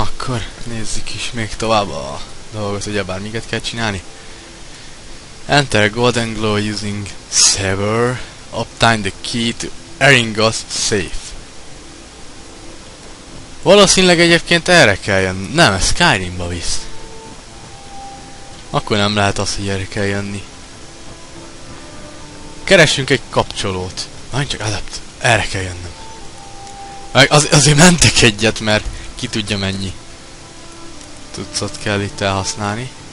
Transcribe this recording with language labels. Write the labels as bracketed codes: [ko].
[hu] akkor nézzük is még tovább a dolgot, ugyebár miket kell csinálni. [en] Enter Golden Glow using Saber. Obtain the key to Eringos safe. [hu] Valószínűleg egyébként erre kell jönni. Nem, Skyrimba visz. Akkor nem lehet az, hogy erre kell jönni. Keresünk egy kapcsolót. Nagyon csak adapt. Erre kell jönnöm. Meg azért mentek egyet, mert ki tudja mennyi tucat kell itt elhasználni.